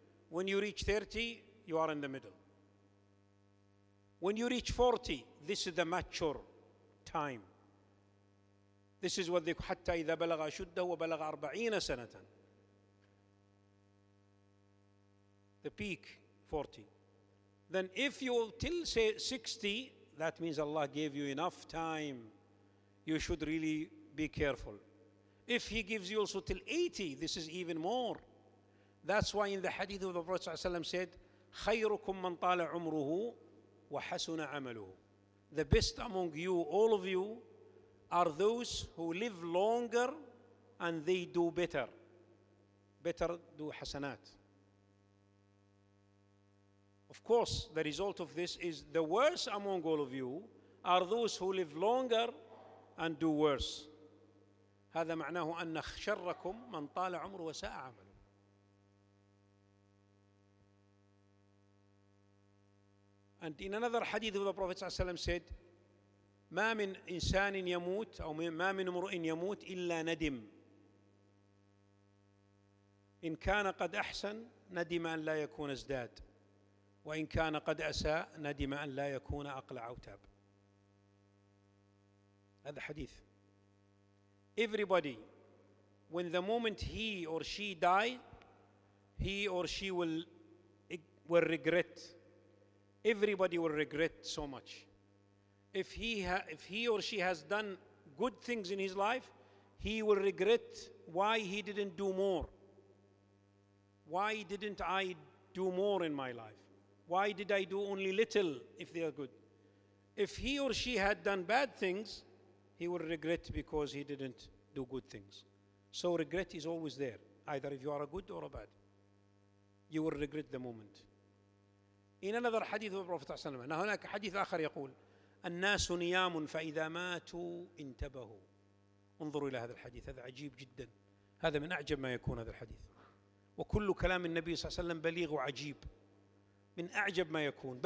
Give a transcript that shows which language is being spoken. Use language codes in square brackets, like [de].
[en] When you reach 30, you are in the middle. When you reach 40, this is the mature time. This is what they [ar] حتى إذا بلغ أشده وبلغ 40 سنة. [en] The peak, 40. Then if you till say 60, that means Allah gave you enough time. You should really be careful. If he gives you also till 80, this is even more. That's why in the hadith of the Prophet ﷺ said, [ar] خيركم من طال عمره وحسن عمله. [en] The best among you, all of you, are those who live longer and they do better. Better do hasanat. Of course, the result of this is the worst among all of you are those who live longer and do worse. [ar] هذا معناه أن شركم من طال عمره وساء عمله. [en] And in another hadith of the Prophet ﷺ said, [ar] ما من إنسان يموت أو ما من امرؤ يموت إلا ندم إن كان قد أحسن ندم أن لا يكون ازداد وإن كان قد أساء ندم أن لا يكون أقلع أو تاب. هذا حديث. [en] Everybody, when the moment he or she died, he or she will regret. Everybody will regret so much. If he or she has done good things in his life, he will regret why he didn't do more. Why didn't I do more in my life? Why did I do only little if they are good? If he or she had done bad things, he will regret because he didn't do good things. So regret is always there, either if you are a good or a bad. You will regret the moment. In another hadith of the Prophet ﷺ, now [ar] هناك حديث آخر يقول الناس نيام فإذا ماتوا انتبهوا. انظروا إلى هذا الحديث، هذا عجيب جدا، هذا من أعجب ما يكون هذا الحديث، وكل كلام النبي صلى الله عليه وسلم بليغ وعجيب، من أعجب ما يكون.